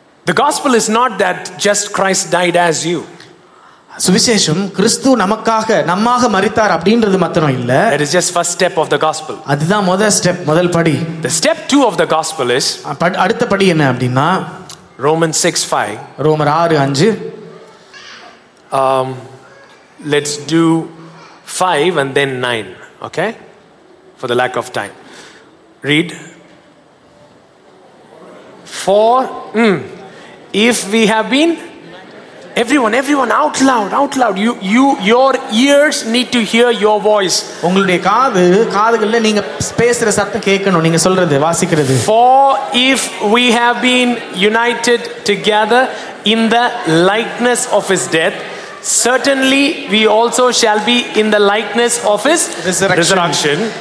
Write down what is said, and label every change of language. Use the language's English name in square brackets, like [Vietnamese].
[English] The gospel is not that just Christ died as you. [Tamil] சுவிசேஷம் கிறிஸ்து நமக்காக நம்மாக மரித்தார் அப்படின்றது மட்டும் இல்ல. [English] That is just first step of the gospel. [Tamil] அதுதான் முதல் ஸ்டெப், முதல் படி. [English] The step 2 of the gospel is [Tamil] அடுத்த படி என்ன அப்படினா [English] Romans 6:5. [Tamil] ரோமர் 6:5. [English] Let's do 5 and then 9, okay? For the lack of time. Read. If we have been everyone out loud, your ears need to hear your voice. [Tamil] உங்களுடைய காதுகள்ல நீங்க பேசுற சத்தம் கேட்கணும், நீங்க சொல்றது வாசிக்கிறது. [English] For if we have been united together in the likeness of his death, certainly we also shall be in the likeness of his resurrection.